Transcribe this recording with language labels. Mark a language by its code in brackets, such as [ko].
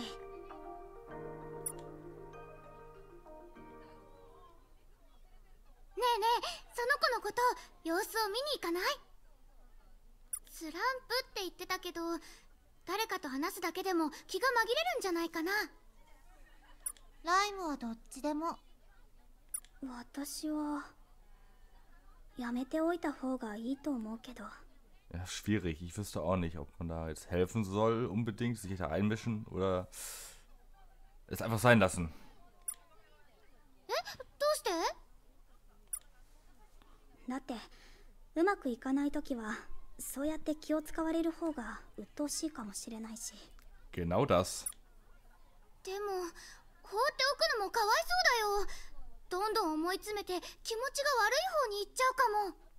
[ja] ねえねえ、その子のこと様子を見に行かない？スランプって言ってたけど、誰かと話すだけでも気が紛れるんじゃないかな。ライムはどっちでも。私はやめておいた方がいいと思うけど。 [de] Ja, schwierig. Ich wüsste auch nicht, ob man da jetzt helfen soll unbedingt, sich da einmischen oder es einfach sein lassen. [ja] どうして? だってうまくいかないときはそうやって気を使われる方が鬱陶しいかもしれないし。 [de] Genau das. [ja] でも放っておくのもかわいそうだよ。どんどん思い詰めて気持ちが悪い方に行っちゃうかも。